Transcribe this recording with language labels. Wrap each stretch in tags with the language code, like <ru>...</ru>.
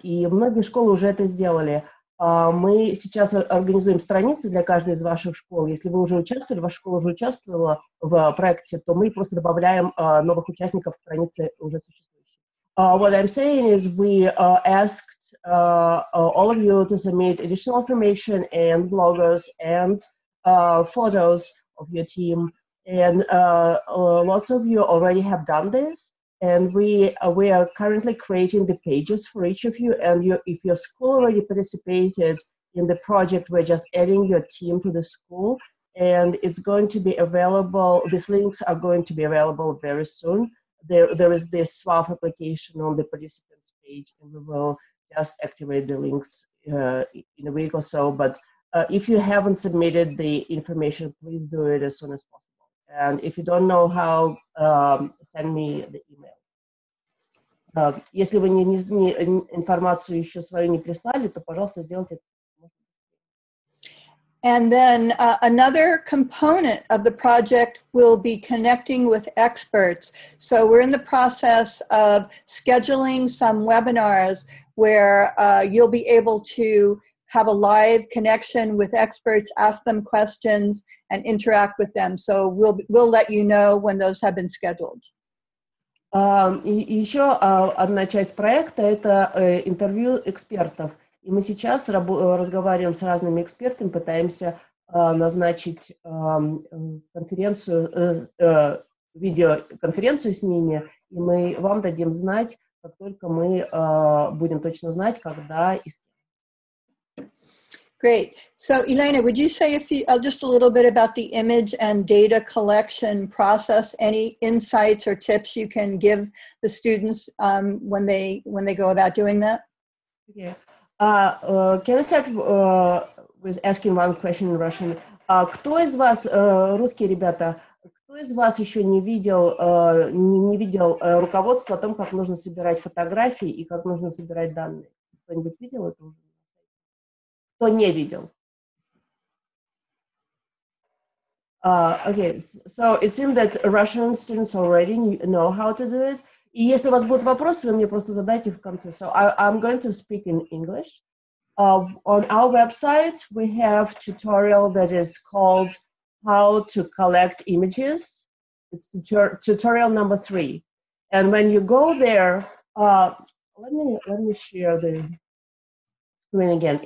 <ru>И многие школы уже это сделали. Мы сейчас организуем страницы для каждой из ваших школ. Если вы уже участвовали, ваша школа уже участвовала в проекте, то мы просто добавляем новых участников в страницы уже существующих.</ru> <en>What I'm saying is we asked all of you to submit additional information and bloggers and photos of your team, and lots of you already have done this, and we are currently creating the pages for each of you, and if your school already participated in the project, we're just adding your team to the school, and it's going to be available, these links are going to be available very soon. There is this SWAF application on the participants page, and we will just activate the links in a week or so. But if you haven't submitted the information, please do it as soon as possible. And if you don't know how, send me the email.</en> <ru>Если вы не информацию еще свою не прислали, то, пожалуйста, сделайте это.</ru> <en>And then another component of the project will be connecting with experts. So we're in the process of scheduling some webinars where you'll be able to have a live connection with experts, ask them questions, and interact with them. So we'll let you know when those have been scheduled.</en> <ru>Еще одна часть проекта – это интервью экспертов. И мы сейчас разговариваем с разными экспертами, пытаемся назначить конференцию, видеоконференцию с ними, и мы вам дадим знать, как только мы будем точно знать, когда и с кем.</ru> <en>Great. So, Elena, would you say just a little bit about the image and data collection process? Any insights or tips you can give the students when they go about doing that? Yeah. Can I start with asking one question in Russian?</en> <ru>Кто из вас, русские ребята, кто из вас еще не видел руководство о том, как нужно собирать фотографии и как нужно собирать данные? Кто-нибудь видел это уже? Кто не видел?</ru> <en>Okay, so it seems that Russian students already know how to do it.</en> <ru>И если у вас будут вопросы, вы мне просто задайте в конце.</ru> <en>So I'm going to speak in English. On our website, we have a tutorial that is called How to Collect Images. It's tutorial number 3. And when you go there, let me share the screen again.</en>